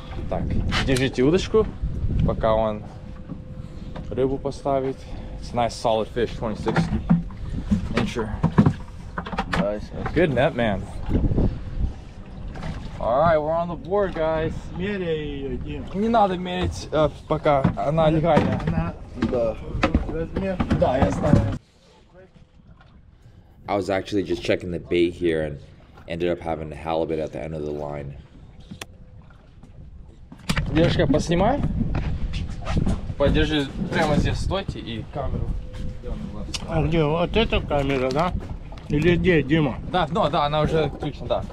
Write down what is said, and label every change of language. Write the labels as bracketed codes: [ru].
[ru] Так, держите удочку, пока он рыбу поставит. [en] It's a nice solid fish, 26 inch. Good net, man. All right, we're on the board, guys. [ru] Не надо мерить, пока она легальная. Да, я [en] знаю. I was actually just checking the bait here and ended up having a halibut at the end of the line. [ru] Девушка, поснимай. Подержи прямо здесь, стойте и камеру. А где вот эта камера, да? Или где, Дима? Да, ну, да, она уже включена, да.